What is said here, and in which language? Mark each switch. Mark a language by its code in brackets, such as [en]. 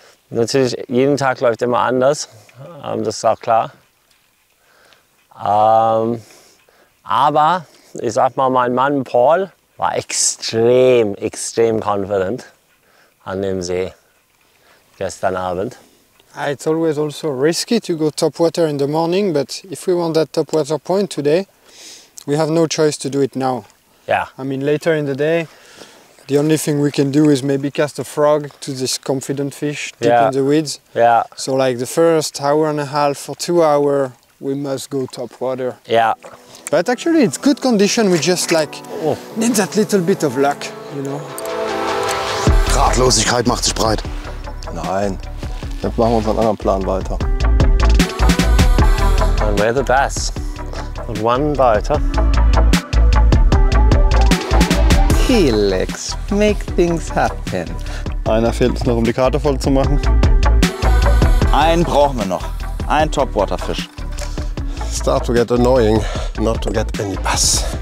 [de] Natürlich, jeden Tag läuft immer anders, das ist auch klar. Aber ich sag mal, mein Mann Paul war extrem, extrem confident an dem See gestern Abend. [en] It's always also risky to go topwater in the morning, but if we want that topwater point today, we have no choice to do it now. Yeah. I mean, later in the day, the only thing we can do is maybe cast a frog to this confident fish deep yeah. in the weeds. Yeah. So like the first hour and a half for 2 hours, we must go top water. Yeah. But actually, it's good condition. We just like need that little bit of luck, you know. [de] Ratlosigkeit macht sich breit. Nein. Dann machen wir unseren anderen Plan weiter. [en] And where the bass? And one bite, Helix, make things happen. [de] Einer fehlt es noch, um die Karte voll zu machen. Einen brauchen wir noch. Ein Topwaterfisch. [en] Start to get annoying, not to get any bass.